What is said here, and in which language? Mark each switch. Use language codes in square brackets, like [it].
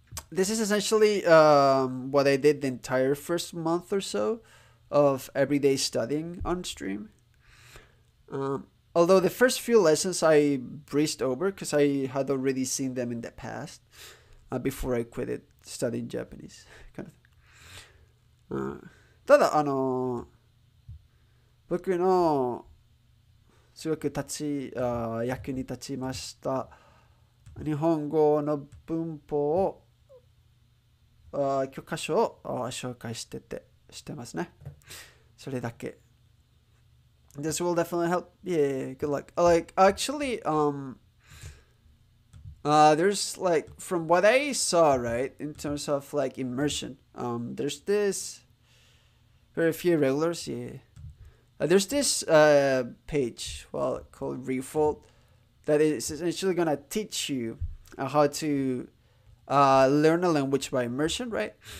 [en] This is essentially what I did the entire first month or so of everyday studying on stream. Although the first few lessons I breezed over because I had already seen them in the past before I quit studying Japanese, kind of. [ja] ただ、僕のすごく役に立ちました日本語の文法を教科書を紹介してますね。それだけ。 [en] This will definitely help. Yeah, good luck. Like, actually, there's like, from what I saw, right, in terms of like immersion, there's this very few regulars. Yeah, there's this page, well, called Refold, that is essentially gonna teach you how to learn a language by immersion, right?